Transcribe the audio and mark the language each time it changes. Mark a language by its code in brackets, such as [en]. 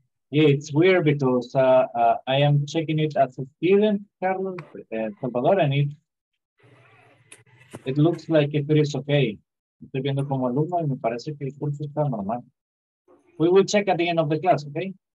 [en] Yeah, it's weird because I am checking it as a student, Carlos Salvador, and it looks like if it is okay. [es] Estoy viendo como alumno y me parece que el curso está normal. [en] We will check at the end of the class, okay?